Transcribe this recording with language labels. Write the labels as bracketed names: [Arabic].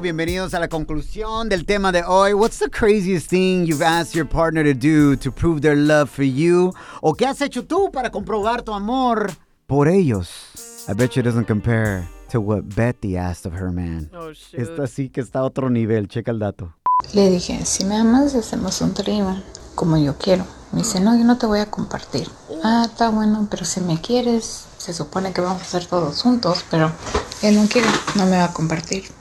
[Spanish] Bienvenidos a la conclusión del tema de hoy. [English] What's the craziest thing you've asked your partner to do to prove their love for you? [Spanish] ¿O qué has hecho tú para comprobar tu amor por ellos? [English] I bet you it doesn't compare to what Betty asked of her man. Oh, shit. [Spanish] Esta sí que está a otro nivel. Checa el dato. Le dije, si me amas, hacemos un trío como yo quiero. Me dice, no, yo no te voy a compartir. Ah, está bueno, pero si me quieres, se supone que vamos a hacer todos juntos, pero él no quiere, no me va a compartir.